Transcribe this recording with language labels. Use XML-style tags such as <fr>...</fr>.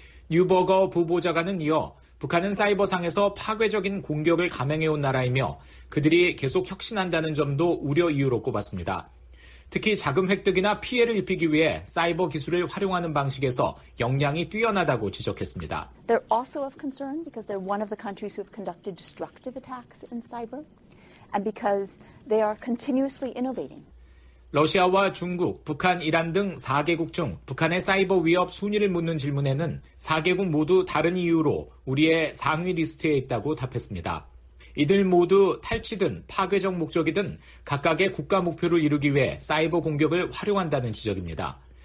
<ko>뉴버거 부보좌관은 이어 북한은 사이버상에서 파괴적인 공격을 감행해온 나라이며 그들이 계속 혁신한다는 점도 우려 이유로 꼽았습니다. 특히 자금 획득이나 피해를 입히기 위해 사이버 기술을 활용하는 방식에서 역량이 뛰어나다고 지적했습니다.</ko> <en>They're also of concern because they're one of the countries who have conducted destructive attacks in cyber and because they are continuously innovating.</en> <ko>러시아와 중국, 북한, 이란 등 4개국 중 북한의 사이버 위협 순위를 묻는 질문에는 4개국 모두 다른 이유로 우리의 상위 리스트에 있다고 답했습니다. 이들 모두 탈취든 파괴적 목적이든 각각의 국가 목표를 이루기 위해 사이버 공격을 활용한다는 지적입니다.</ko>